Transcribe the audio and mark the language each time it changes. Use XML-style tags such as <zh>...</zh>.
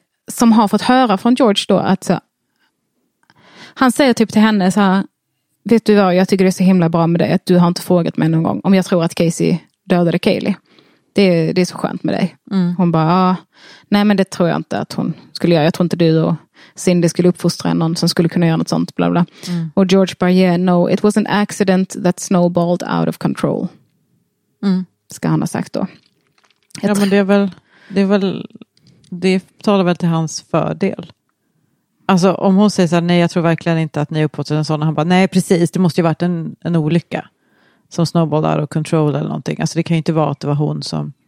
<sv>Som har fått höra från George då att så, han säger typ till henne så här, vet du vad, jag tycker det är så himla bra med dig att du har inte frågat mig någon gång om jag tror att Casey dödade Kaylee. Det är så skönt med dig. Mm. Hon bara, nej men det tror jag inte att hon skulle göra. Jag tror inte du och Cindy skulle uppfostra någon som skulle kunna göra något sånt. Bla bla. Mm. Och George bara,</sv> <en>yeah, no, it was an accident that snowballed out of control. Mm.</en> <sv>Ska han ha sagt då. Men det är väl, det talar väl till hans fördel. Alltså om hon säger så här, nej jag tror verkligen inte att ni är uppåt en sån. Han bara, nej precis, det måste ju varit en olycka. Som</sv> <en>Snowball out of control</en> <sv>eller någonting. Alltså det kan ju inte vara att det var hon som...</sv>